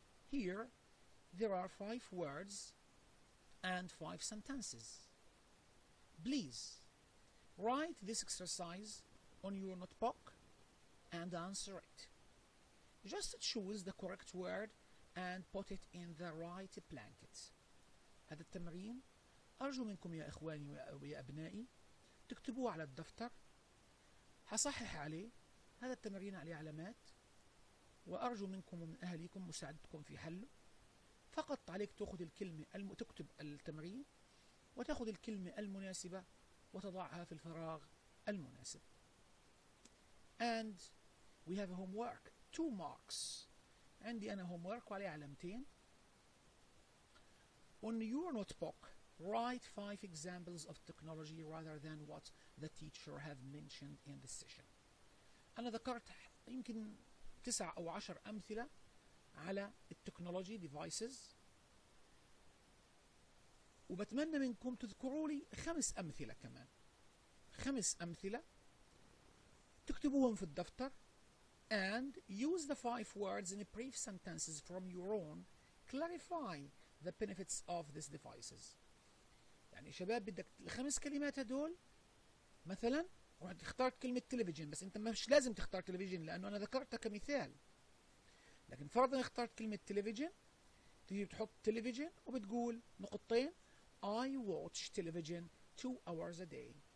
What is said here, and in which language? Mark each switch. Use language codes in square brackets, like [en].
[en] Here there are 5 words and 5 sentences. Please write this exercise on your notebook and answer it. Just choose the correct word and put it in the right blanket. [ar] هذا التمرين أرجو منكم يا إخواني ويا أبنائي تكتبوه على الدفتر. هصحح عليه. هذا التمرين عليه علامات. وأرجو منكم ومن أهليكم مساعدتكم في حله. فقط عليك تأخذ الكلمة تكتب التمرين وتأخذ الكلمة المناسبة وتضعها في الفراغ المناسب. [en] And we have a homework. 2 marks. [ar] عندي أنا homework وعليه علامتين. [en] On your notebook, write 5 examples of technology rather than what the teacher have mentioned in the session. [ar] أنا ذكرت يمكن 9 أو 10 أمثلة على التكنولوجي ديفايسز. وبتمنى منكم تذكروا لي 5 أمثلة كمان. 5 أمثلة تكتبوهم في الدفتر. [en] And use the 5 words in brief sentences from your own. Clarify the benefits of these devices. [ar] يعني شباب بدك الخمس كلمات هدول مثلا رح تختار كلمة تلفزيون بس انت مش لازم تختار تلفزيون لانه انا ذكرتها كمثال. لكن فرضا اخترت كلمة تلفزيون تجي بتحط تلفزيون وبتقول نقطتين [en] I watch television 2 hours a day.